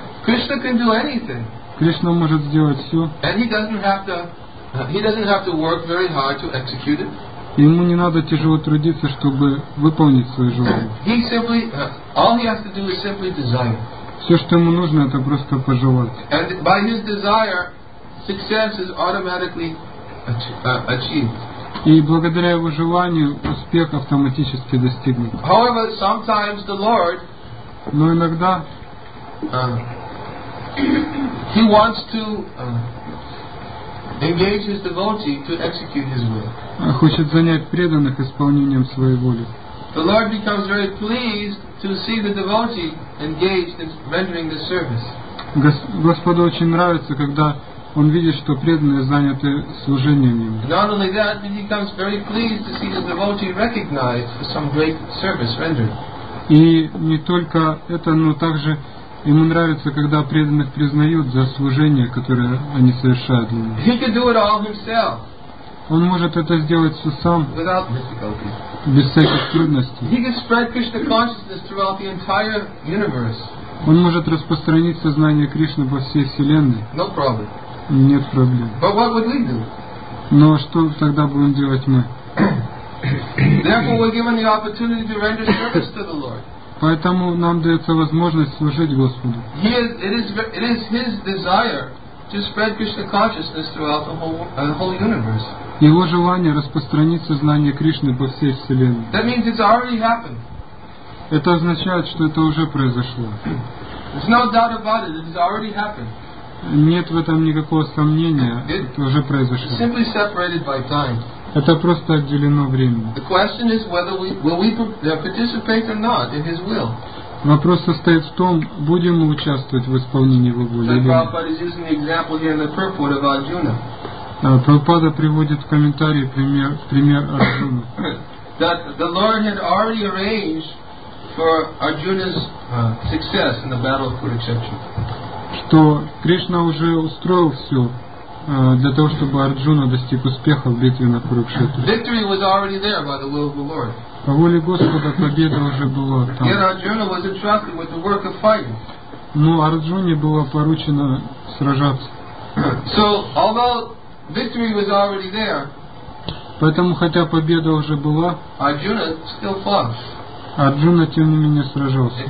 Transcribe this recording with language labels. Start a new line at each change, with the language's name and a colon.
English: Krishna can do anything.
Russian: Кришна может сделать все.
English: And he doesn't have to work very hard to execute it.
Russian: Ему не надо тяжело трудиться, чтобы выполнить свои желания. Все, что ему нужно, это просто пожелать.
English: And by his desire, success is automatically achieved.
Russian: И благодаря его желанию успех автоматически достигнут.
English: However, sometimes the Lord,
Russian: но иногда
English: he wants to engage his devotee to execute his will.
Russian: Хочет занять преданных исполнением своей воли.
English: The Lord becomes very pleased to see the devotee engaged in rendering this service.
Russian: Господу очень нравится, когда он видит, что преданные заняты служением ему.
English: Not only that, but he comes very pleased to see the devotee recognized for some great service rendered.
Russian: И не только это, но также ему нравится, когда преданных признают за служение, которое они совершают для него.
English: He can do it all himself.
Russian: Он может это сделать все сам, без всяких трудностей.
English: He can spread Krishna consciousness throughout the entire universe.
Russian: Он может распространить сознание Кришны по всей Вселенной.
English: No problem.
Russian: Нет проблем.
English: But what would we do?
Russian: Но что тогда будем делать мы?
English: Therefore, we're given the opportunity to render service to the Lord.
Russian: Поэтому нам дается возможность служить Господу.
English: It is His desire to spread Krishna consciousness throughout the whole universe.
Russian: Его желание распространить сознание Кришны по всей Вселенной.
English: That means it's already happened.
Russian: Это означает, что это уже произошло.
English: There's no doubt about it. It has already happened.
Russian: Нет в этом никакого сомнения. Это уже произошло.
English: Simply separated by time.
Russian: Это просто отделено временем.
English: The question is whether will we participate or not in His will.
Russian: Вопрос состоит в том, будем мы участвовать в исполнении Его воли.
English: So Prabhupada is using the example here in the purport of Arjuna.
Russian: Прабхупада приводит в комментарии пример Арджуны.
English: That the Lord had already arranged for Arjuna's success in the battle of Kurukshetra.
Russian: Что Кришна уже устроил все для того, чтобы Арджуна достиг успеха в битве на Курукшетре.
English: Victory was already there by the will of the Lord.
Russian: По воле Господа победа уже была там.
English: Yet Arjuna was entrusted with the work of fighting.
Russian: Но Арджуне было поручено сражаться.
English: So although victory was already there,
Russian: поэтому хотя победа уже была,
English: Arjuna still fought.
Russian: Арджуна тем не менее сражался.